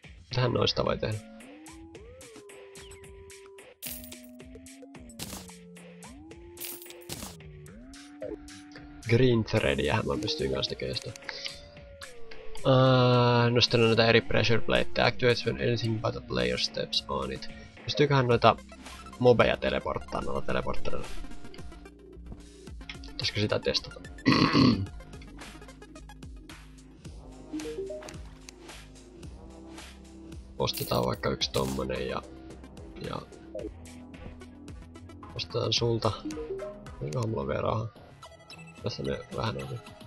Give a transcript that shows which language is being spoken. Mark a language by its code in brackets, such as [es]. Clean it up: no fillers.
[fi] Mitähän noista voi tehdä? Green threadiähän mä pystyin kanssa tekemään sitä. Nostella näitä eri pressure plateja. [en] Activates when anything but a player steps on it. [fi] Pystyyköhän noita mobeja teleporttaa noilla teleporttereilla? Pitäisikö sitä testata? Ostetaan vaikka yksi tommonen ja ostetaan sulta. Onkohan mulla vielä rahaa? Tässä me vähän on.